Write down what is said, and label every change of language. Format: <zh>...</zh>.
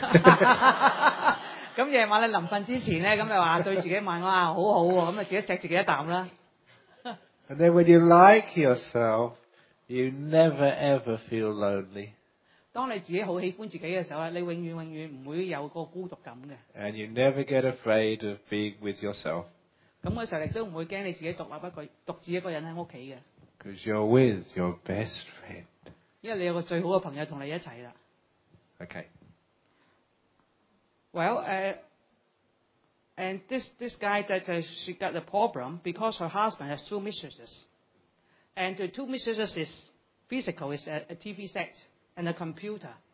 <yue>咁夜晚你臨瞓之前咧，咁就話對自己問我啊，好好喎，咁就自己錫自己一啖啦。</yue> <en>And then when you like yourself, you never ever feel lonely.</en> <yue>當你自己好喜歡自己嘅時候咧，你永遠永遠唔會有個孤獨感嘅。</yue> <en>And you never get afraid of being with yourself.</en> <yue>咁嘅時候亦都唔會驚你自己獨立一個獨自一個人喺屋企嘅。</yue> <en>Because you're with your best friend.</en> <yue>因為你有個最好嘅朋友同你一齊啦。</yue> <en>Okay. Well, and this guy that she got the problem because her husband has two mistresses. And the two mistresses is physical, is a TV set and a computer.</en>